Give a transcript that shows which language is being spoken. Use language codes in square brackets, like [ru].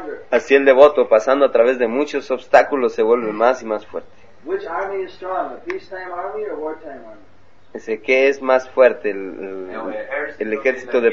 [es] Así el devoto, pasando a través de muchos obstáculos, se vuelve más y más fuerte. [en] Which army is strong, a peacetime army or wartime army? [es] Dice, ¿qué es más fuerte, el ejército de